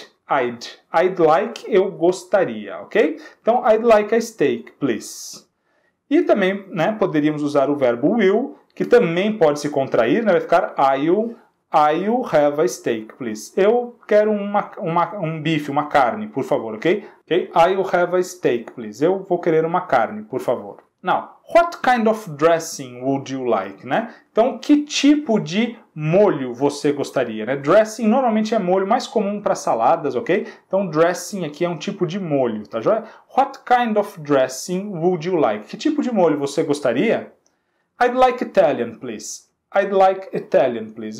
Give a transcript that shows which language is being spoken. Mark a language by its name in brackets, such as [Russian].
[English] I'd like, [Portuguese] eu gostaria, ok? Então, [English] I'd like a steak, please. [Portuguese] E também, né, poderíamos usar o verbo will, que também pode se contrair, né? Vai ficar [English] I'll have a steak, please. [Portuguese] Eu quero um bife, uma carne, por favor, ok? [English] I'll have a steak, please. [Portuguese] Eu vou querer uma carne, por favor. [English] Now, what kind of dressing would you like, né? [Portuguese] Então, que tipo de molho você gostaria, né? Dressing normalmente é molho mais comum para saladas, ok? Então, dressing aqui é um tipo de molho, tá joia? [English] What kind of dressing would you like? [Portuguese] Que tipo de molho você gostaria? [English] I'd like Italian, please. I'd like Italian, please.